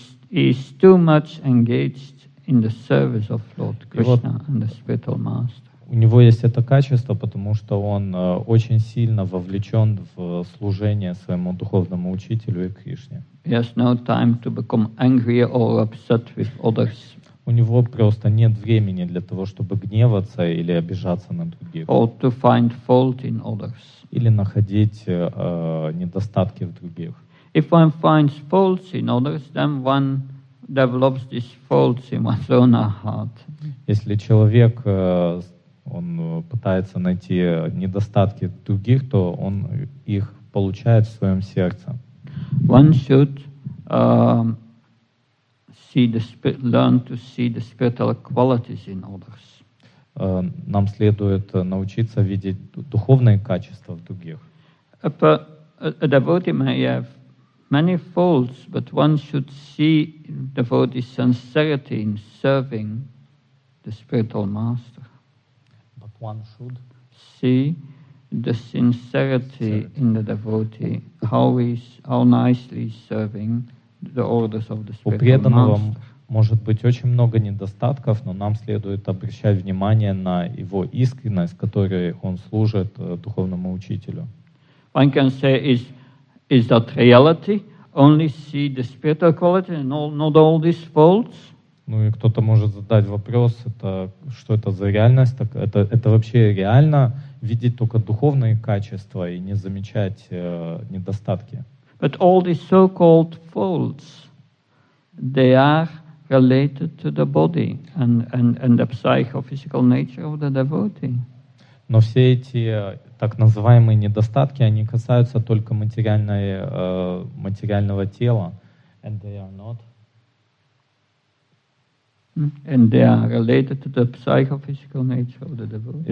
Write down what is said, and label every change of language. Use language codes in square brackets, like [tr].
[en] it's too much engaged in the service of Lord Krishna and the spiritual master. [ru] У него есть это качество, потому что он очень сильно вовлечен в служение своему духовному учителю и Кришне. [en] He has no time to become angry or upset with others. [ru] У него просто нет времени для того, чтобы гневаться или обижаться на других. [en] Or to find fault in others. [ru] Или находить недостатки в других. [en] If one finds faults in others, then one develops these faults in one's own heart. [ru] Если человек он пытается найти недостатки других, то он их получает в своем сердце. [en] One should learn to see the spiritual qualities in others. [ru] Нам следует научиться видеть духовные качества в других. [en] A devotee may have many faults, but one should see devotee's sincerity in serving the spiritual master. But one should see the sincerity in the devotee, how nicely serving the orders of the spiritual master. [ru] У преданного может быть очень много недостатков, но нам следует обращать внимание на его искренность, которой он служит духовному учителю. [en] One can say, is that reality? Only see the spiritual quality and not all these faults? [ru] Ну и кто-то может задать вопрос, что это за реальность? Так это вообще реально видеть только духовные качества и не замечать недостатки? [en] But all these so-called faults, they are related to the body and the psycho-physical nature of the devotee. [ru] Но все эти так называемые недостатки, они касаются только материального тела. [en] And they are not. And they are related to the psychophysical nature of the devotee.